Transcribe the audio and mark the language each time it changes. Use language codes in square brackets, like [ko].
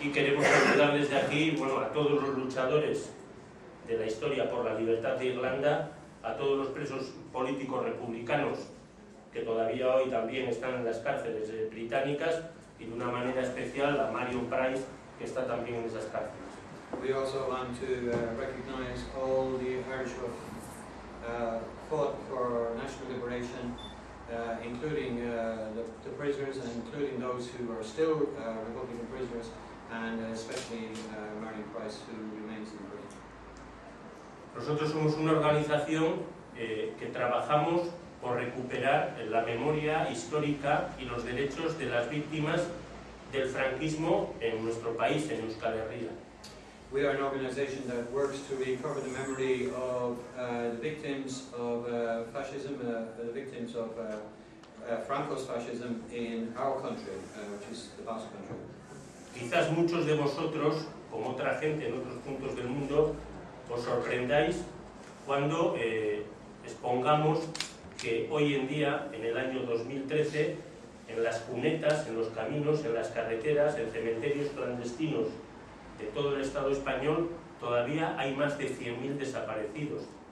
[es] Y queremos ayudar desde aquí, bueno, a todos los luchadores de la historia por la libertad de Irlanda, a todos los presos políticos republicanos que todavía hoy también están en las cárceles británicas, y de una manera especial a Marion Price, que está también en esas cárceles. [en] We also want to recognize all the Irish who have fought for national liberation, including the prisoners and including those who are still Republican prisoners, and especially Marion Price, who remains in prison. [es] Nosotros somos una organización que trabajamos por recuperar la memoria histórica y los derechos de las víctimas del franquismo en nuestro país, en Euskal Herria. [en] We are an organization that works to recover the memory of the victims of fascism, the victims of Franco's fascism in our country, which is the Basque Country. [es] Quizás muchos de vosotros, como otra gente en otros puntos del mundo, os sorprendáis cuando expongamos que hoy en día, en el año 2013, en las cunetas, en los caminos, en las carreteras, en cementerios clandestinos de todo el Estado español, todavía hay más de 100.000 desaparecidos.